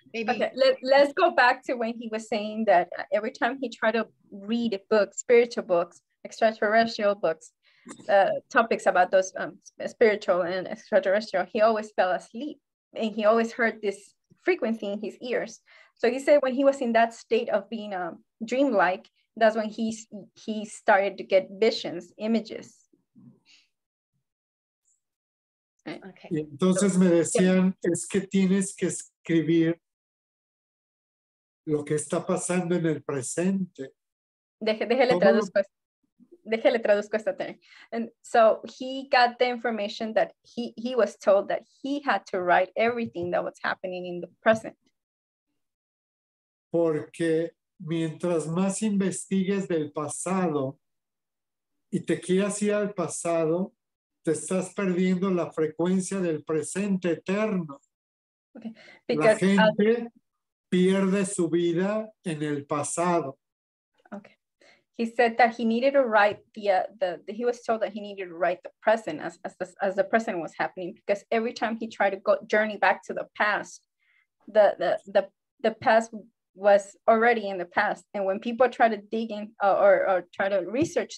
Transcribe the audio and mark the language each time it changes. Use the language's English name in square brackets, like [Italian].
[English] Let's go back to when he was saying that every time he tried to read books, spiritual books, extraterrestrial books, topics about those spiritual and extraterrestrial, he always fell asleep and he always heard this frequency in his ears. So he said when he was in that state of being dreamlike, that's when he started to get visions, images. Okay. [Spanish] Entonces me decían, es que tienes que escribir lo que está pasando en el presente. Déjele traduzco esta tarea. [English] And so he got the information that he was told that he had to write everything that was happening in the present. [Spanish] Porque mientras más investigues del pasado y te quieras ir al pasado, te estás perdiendo la frecuencia del presente eterno. Okay. La gente pierde su vida en el pasado. Okay. [English] He said that he needed to write he was told that he needed to write the present as the present was happening, because every time he tried to go journey back to the past, the past was already in the past. And when people try to dig in or try to research